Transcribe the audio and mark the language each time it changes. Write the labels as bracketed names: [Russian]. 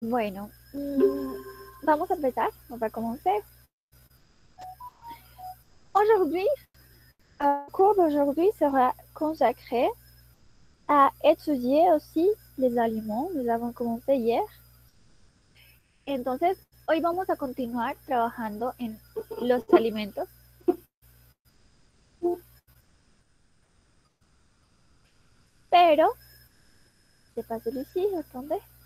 [Spanish] Bueno, vamos a empezar, a ver cómo se. [French] Aujourd'hui, el cours d'aujourd'hui será consacré [Spanish] a estudiar [French] aussi les aliments. Nous avons commencé hier. [Spanish] Entonces, hoy vamos a continuar trabajando en los alimentos. Pero, ¿se pasó Lucía? ¿Dónde?